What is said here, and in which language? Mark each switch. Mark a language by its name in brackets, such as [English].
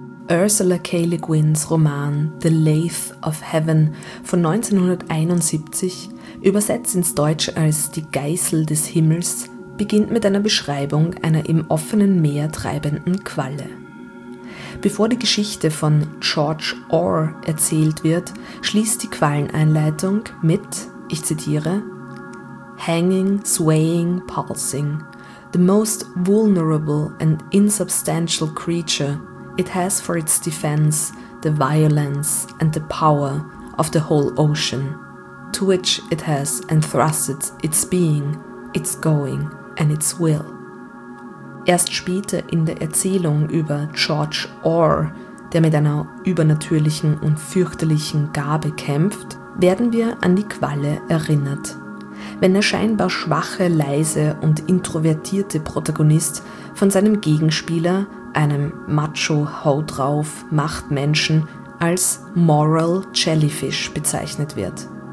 [German] Ursula K. Le Guin's Roman The Lathe of Heaven von 1971, übersetzt ins Deutsche als Die Geißel des Himmels, beginnt mit einer Beschreibung einer im offenen Meer treibenden Qualle. Bevor die Geschichte von George Orr erzählt wird, schließt die Qualleneinleitung mit, ich zitiere, [English] "Hanging, swaying, pulsing, the most vulnerable and insubstantial creature, it has for its defense the violence and the power of the whole ocean, to which it has entrusted its being, its going and its will." [German] Erst später in der Erzählung über George Orr, der mit einer übernatürlichen und fürchterlichen Gabe kämpft, werden wir an die Qualle erinnert. Wenn der scheinbar schwache, leise und introvertierte Protagonist von seinem Gegenspieler, einem Macho-Hau-drauf-Machtmenschen, als Moral Jellyfish bezeichnet wird.